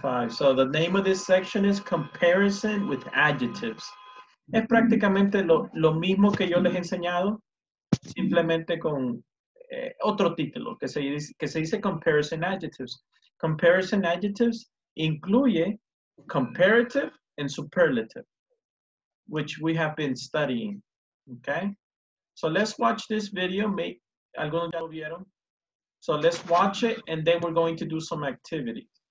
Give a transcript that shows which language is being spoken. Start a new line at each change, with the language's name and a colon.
English: So the name of this section is Comparison with Adjectives.
Spanish: Es prácticamente lo mismo que yo les he enseñado, simplemente con otro título, que se dice Comparison Adjectives.
English: Comparison Adjectives incluye Comparative and superlative, which we have been studying. Okay, so let's watch this video.
Spanish: ¿Alguno ya lo vieron?
English: So let's watch it, and then we're going to do some activity.